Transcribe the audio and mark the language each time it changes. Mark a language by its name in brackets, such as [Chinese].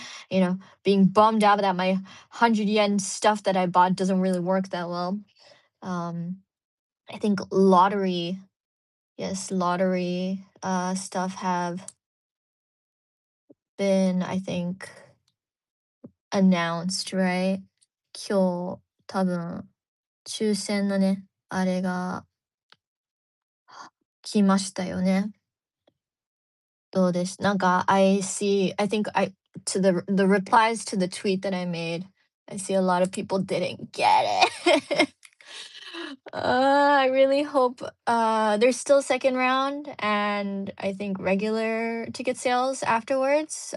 [English] Like, being bummed out that my 100 yen stuff that I bought doesn't really work that well. I think lottery. Yes, lottery stuff have been, I think, announced, right? [Japanese] 今日多分抽選のね、あれが来ましたよね。どうです？ [English] なんか I see, I think I to the replies to the tweet that I made, I see a lot of people didn't get it. I really hope there's still second round and I think regular ticket sales afterwards.